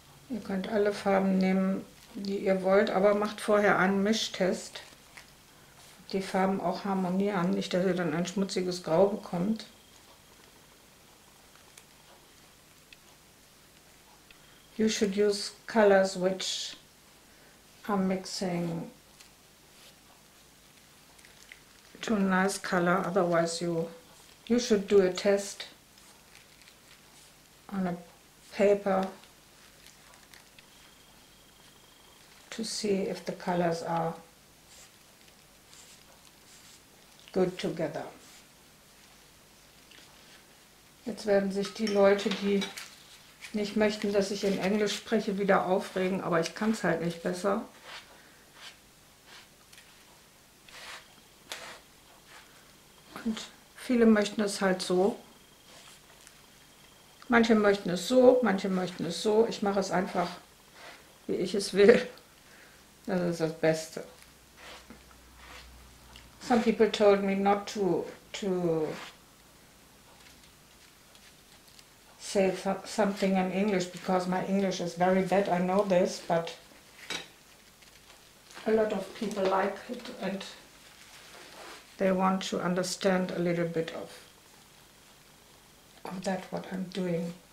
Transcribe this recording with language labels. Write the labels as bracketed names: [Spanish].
[German] Ihr könnt alle Farben nehmen, die ihr wollt, aber macht vorher einen Mischtest. Die Farben auch harmonieren, nicht dass ihr dann ein schmutziges Grau bekommt. [English] You should use colors which are mixing to a nice color, otherwise you should do a test on a paper to see if the colors are good together. [German] Jetzt werden sich die Leute, die nicht möchten, dass ich in Englisch spreche, wieder aufregen, aber ich kann es halt nicht besser. Und viele möchten es halt so. Manche möchten es so, manche möchten es so. Ich mache es einfach, wie ich es will. Das ist das Beste. [English] Some people told me not to say something in English because my English is very bad. I know this, but a lot of people like it and they want to understand a little bit of that what I'm doing.